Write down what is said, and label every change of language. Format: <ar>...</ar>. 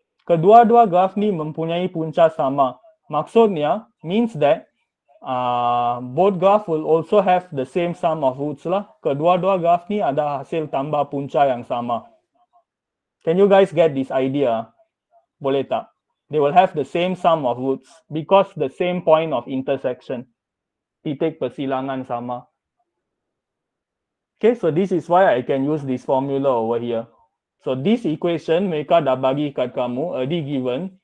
<ms>Kedua-dua graph ni mempunyai punca sama. Maksudnya,</ms> <en>means that both graph will also have the same sum of roots lah.</en> <ms>Kedua-dua graph ni ada hasil tambah punca yang sama.</ms> <en>Can you guys get this idea?</en> <ms>Boleh tak?</ms> <en>They will have the same sum of roots because the same point of intersection.</en> <ms>Titik persilangan sama.</ms> <en>Okay, so this is why I can use this formula over here. So this equation</en> <ms>mereka dah bagi kat kamu,</ms> <en>already given.</en>